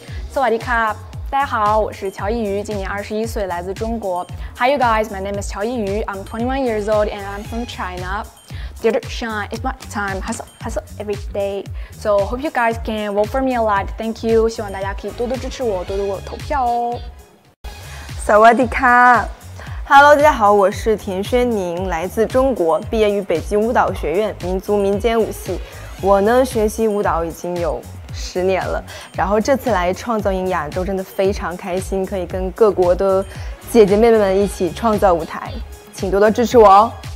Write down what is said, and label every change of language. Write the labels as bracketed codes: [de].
[zh] 萨瓦迪卡，大家好，我是乔一瑜，今年21岁，来自中国。 [en] Hi you guys, my name is 乔一瑜 I'm 21 years old and I'm from China. Dear Shine, it's my time, hustle every day. So hope you guys can vote for me a lot. Thank you. [zh] 希望大家可以多多支持我，多多投票哦。 [th] 萨瓦迪卡。 [zh] Hello, 大家好，我是田轩宁，来自中国，毕业于北京舞蹈学院民族民间舞系。我呢，学习舞蹈已经有10年了，然后这次来创造营亚洲真的非常开心，可以跟各国的姐姐妹妹们一起创造舞台，请多多支持我哦。